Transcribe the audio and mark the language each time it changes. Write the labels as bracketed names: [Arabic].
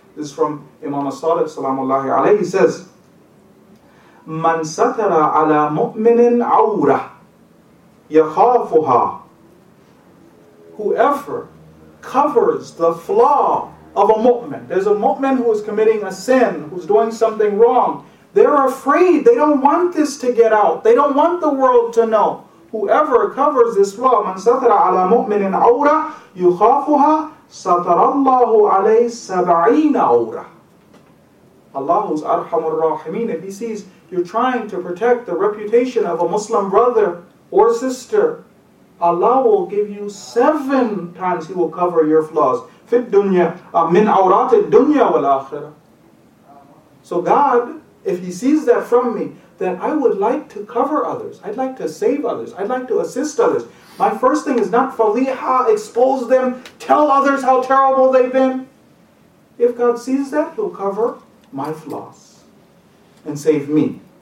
[English] This is from Imam As-Sadiq, salamullahi alayhi. He says, [Arabic] "Man satara ala mu'minin awra yakhafuha." [English] Whoever covers the flaw of a mu'min. There's a mu'min who is committing a sin, who's doing something wrong. They're afraid. They don't want this to get out. They don't want the world to know. Whoever covers this law, [Arabic] من ستر على مؤمن عورة يخافها ستر الله عليه سبعين عورة. [English] Allah is Arhamur Rahimin. If he sees you're trying to protect the reputation of a Muslim brother or sister, Allah will give you 7 times he will cover your flaws. [Arabic] في الدنيا من عورات الدنيا والآخرة. [English] So God, if he sees that from me, then I would like to cover others. I'd like to save others. I'd like to assist others. My first thing is not faliha, expose them, tell others how terrible they've been. If God sees that, he'll cover my flaws and save me.